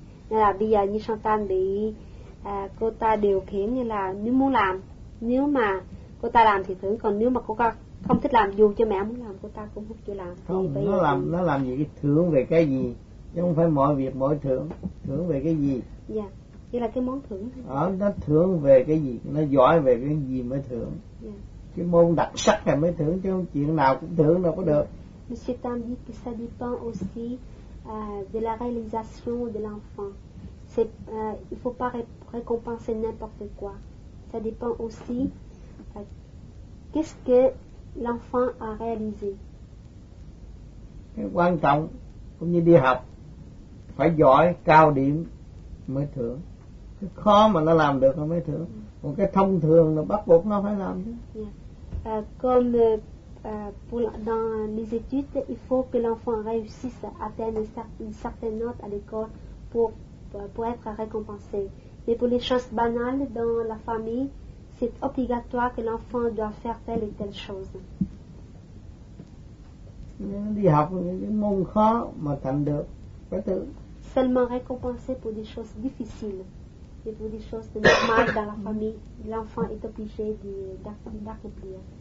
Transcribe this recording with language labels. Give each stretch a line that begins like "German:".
Vietnamese: Nên là bây giờ như Sơn Tan bị cô ta điều khiển, như là nếu muốn làm, nếu mà cô ta làm thì thưởng, còn nếu mà cô ta không thích làm, dù cho mẹ muốn làm cô ta cũng không cho làm. Không, nó làm thì... nó làm gì cái thưởng về cái gì, chứ không phải mọi việc mọi thưởng. Thưởng về cái gì? Dạ, chỉ là cái món thưởng thôi. Nó thưởng về cái gì, nó giỏi về cái gì mới thưởng. Dạ. Cái môn đặc sắc này mới thưởng, chứ không chuyện nào cũng thưởng đâu có được.
French: Monsieur Tam dit que ça dépend aussi de la réalisation de l'enfant. C'est, il faut pas récompenser n'importe quoi. Ça dépend aussi qu'est-ce que l'enfant a réalisé.
Vietnamese: Cái quan trọng cũng như đi học phải giỏi, cao điểm mới thưởng. Cái khó mà nó làm được nó mới thưởng. Còn cái thông thường là bắt buộc nó phải làm chứ. Yeah.
French: Comme dans les études, il faut que l'enfant réussisse à atteindre une certaine note à l'école pour être récompensé. Mais pour les choses banales dans la famille, c'est obligatoire que l'enfant doit faire telle et telle chose.
Vietnamese: Đi học những môn khó mà thành được phải thưởng.
French: Seulement récompenser pour des choses difficiles et pour des choses normales dans la famille, l'enfant est obligé d'accomplir.